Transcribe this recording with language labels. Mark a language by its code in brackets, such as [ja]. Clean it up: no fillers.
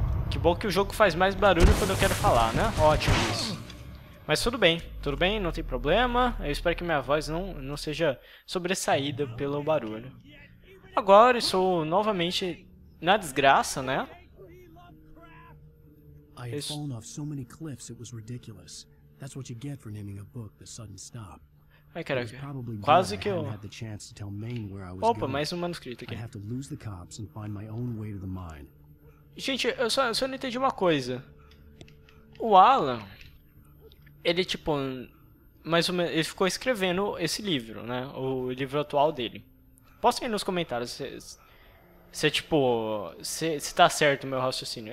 [pt] Que bom que o jogo faz mais barulho quando eu quero falar, né? Ótimo isso. Mas tudo bem, não tem problema. Eu espero que minha voz não seja sobressaída pelo barulho. Agora estou novamente na desgraça, né? [en] I had fallen off so many cliffs it was ridiculous. That's what you get for naming a book The Sudden Stop. [pt] Ai, cara, quase que eu [en] had the chance to tell Maine where I was. [pt] Opa, mais um manuscrito aqui. [en] I have to lose the cops and find my own way to the mine. [pt] Gente, eu só não entendi uma coisa. O Alan, ele tipo mais ou menos, ele ficou escrevendo esse livro, né? O livro atual dele. Postem aí nos comentários se tá certo o meu raciocínio.